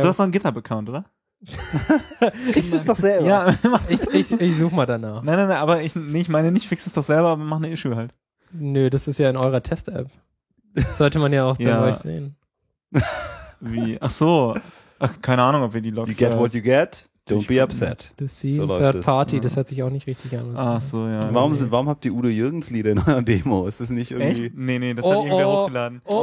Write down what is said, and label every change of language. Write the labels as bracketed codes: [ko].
[de] Du hast doch einen GitHub-Account, oder? Fix es doch selber. Ja, ich such mal danach. Nein, aber ich meine nicht, fix es doch selber, aber mach eine Issue halt. Nö, das ist ja in eurer Test-App. Sollte man ja auch dann gleich sehen. Wie? Ach so. Ach, keine Ahnung, ob wir die Logs. [en] You get what you get, don't be upset. [de] Das Theme so Third Party, das hört sich auch nicht richtig an. Ach so, ja. Warum habt ihr Udo Jürgens Lieder in eurer Demo? Ist das nicht irgendwie. Echt? Nee, das hat irgendwer hochgeladen.